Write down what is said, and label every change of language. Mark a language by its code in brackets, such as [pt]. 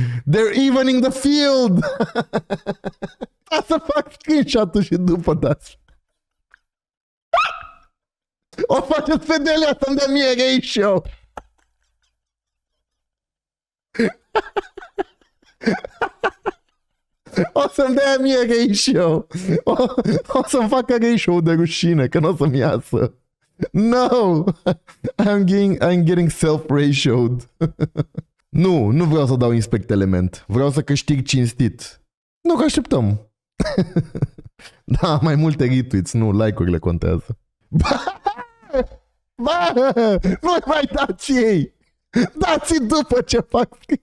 [en] They're evening the field. [ro] Da, să fac screenshot-ul și după dați. O faceți pe Delia să-mi dea mie ratio. O să-mi dea mie ratio. O să-mi facă ratio de rușine, că n-o să-mi iasă. [en] No! I'm getting self-ratioed. [ro] Nu, nu vreau să dau inspect element. Vreau să câștig cinstit. Nu, că așteptăm. Da, mai multe retweets, nu, like-urile contează. Ba, nu mai dați ei. Dați-i după ce fac.